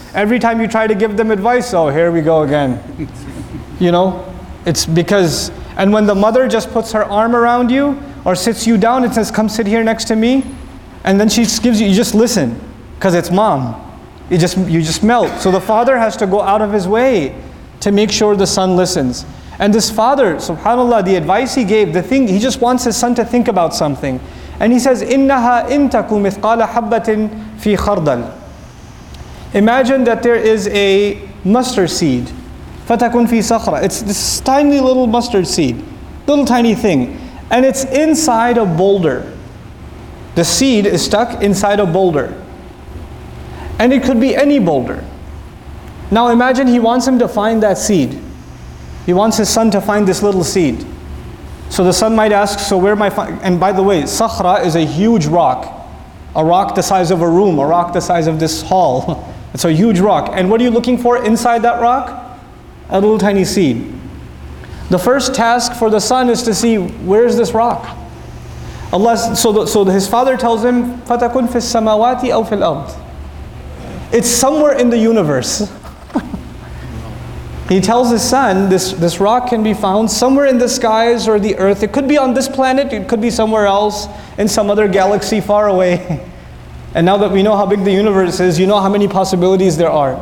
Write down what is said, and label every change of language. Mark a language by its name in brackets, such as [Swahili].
[English] Every time you try to give them advice, oh, here we go again. You know, it's because, and when the mother just puts her arm around you or sits you down and says, come sit here next to me. And then she gives you just listen, because it's mom. You just melt. So the father has to go out of his way to make sure the son listens. And this father, subhanAllah, the advice he gave, the thing, he just wants his son to think about something. And he says, [Arabic] إِنَّهَا إِن تَكُ مِثْقَالَ حَبَّةٍ فِي خَرْدَلٍ. [English] Imagine that there is a mustard seed. [Arabic] فَتَكُن فِي صَخْرَةٍ. [English] It's this tiny little mustard seed, little tiny thing. And it's inside a boulder. The seed is stuck inside a boulder. And it could be any boulder. Now imagine he wants him to find that seed. He wants his son to find this little seed. So the son might ask, so where am I find? And by the way, sakhra is a huge rock. A rock the size of a room, a rock the size of this hall. It's a huge rock. And what are you looking for inside that rock? A little tiny seed. The first task for the son is to see, where is this rock? Allah, his father tells him, [Arabic] فَتَكُنْ فِي السَّمَاوَاتِ أَوْ فِي الْأَرْضِ. [English] It's somewhere in the universe. He tells his son, this rock can be found somewhere in the skies or the earth. It could be on this planet, it could be somewhere else, in some other galaxy far away. And now that we know how big the universe is, you know how many possibilities there are.